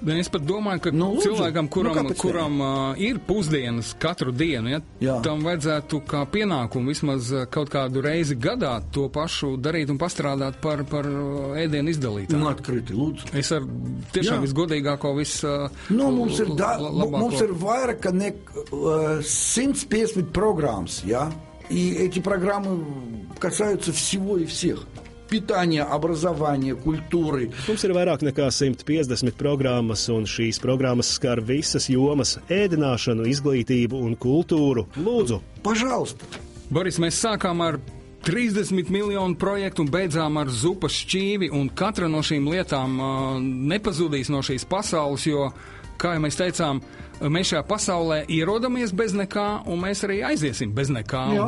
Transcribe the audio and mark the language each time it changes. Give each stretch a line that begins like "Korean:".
Latvian: Es pat domāju, ka cilvēkam, kuram ir pusdienas katru dienu, ja, tam vajadzētu kā pienākumu vismaz kaut kādu reizi gadā to pašu darīt un pastrādāt par ēdienu izdalītāju. Un atkriti, lūdzu. Es ar tiešām visgodīgāko, labāko. Mums ir vairāk nekā
Russian: 150 программ, я, и эти программы касаются всего и всех. Питание, образование, культуры.
Latvian: Mums ir vairāk nekā 150 programmas, un šīs programmas skar visas jomas – ēdināšanu, izglītību un kultūru. Lūdzu!
Russian: Пожалуйста!
Latvian: Boris, mēs sākām ar 30 miljonu projektu un beidzām ar zupas šķīvi, un katra no šīm lietām nepazudīs no šīs pasaules, jo, kā jau mēs teicām, mēs šajā pasaulē ierodamies bez nekā, un mēs arī aiziesim bez nekā. Jā.